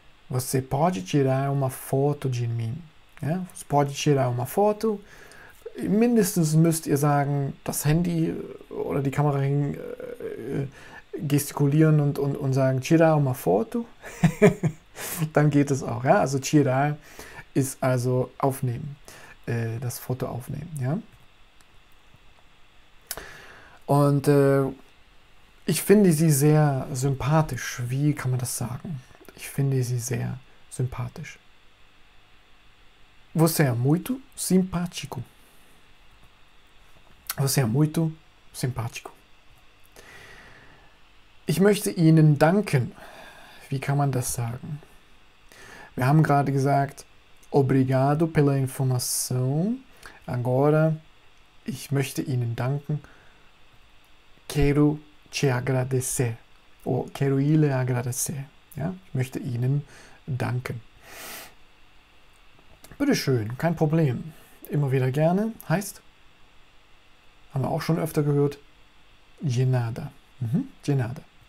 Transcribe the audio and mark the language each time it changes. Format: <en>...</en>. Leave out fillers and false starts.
<pt>Você pode tirar uma foto de mim? Ja? Você pode tirar uma foto?</pt> <de>Mindestens müsst ihr sagen, das Handy oder die Kamera hin gestikulieren und sagen,</de> <pt>tirar uma foto?</pt> <de>Dann geht es auch. Ja? Also tirar ist also aufnehmen. Das Foto aufnehmen. Ja? Und ich finde sie sehr sympathisch. Wie kann man das sagen? Ich finde sie sehr sympathisch.</de> <pt>Você é muito simpático. Você é muito simpático.</pt> <de>Ich möchte Ihnen danken. Wie kann man das sagen? Wir haben gerade gesagt,</de> <pt>obrigado pela informação. Agora,</pt> <de>ich möchte Ihnen danken.</de> <pt>Quero te agradecer.</pt> <de>Oh,</de> <pt>quero lhe agradecer.</pt> <de>Ja, ich möchte Ihnen danken. Bitte schön, kein Problem. Immer wieder gerne. Heißt, haben wir auch schon öfter gehört,</de> <es>de nada. De nada.</es>